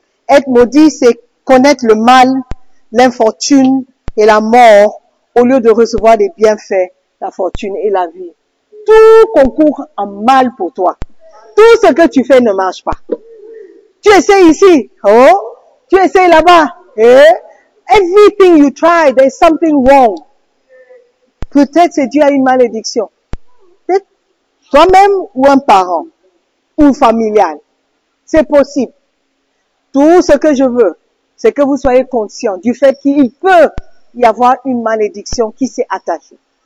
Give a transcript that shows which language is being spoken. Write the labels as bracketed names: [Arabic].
[French] Être maudit, c'est connaître le mal, l'infortune et la mort au lieu de recevoir des bienfaits, la fortune et la vie. Tout concourt en mal pour toi. Tout ce que tu fais ne marche pas. Tu essaies ici, oh, tu essaies là-bas. Eh? [English] Everything you try, there's something wrong. [French] Peut-être c'est dû à une malédiction. Peut-être toi-même ou un parent ou familial. C'est possible. Tout ce que je veux, c'est que vous soyez conscient du fait qu'il peut y avoir une malédiction qui s'est attachée.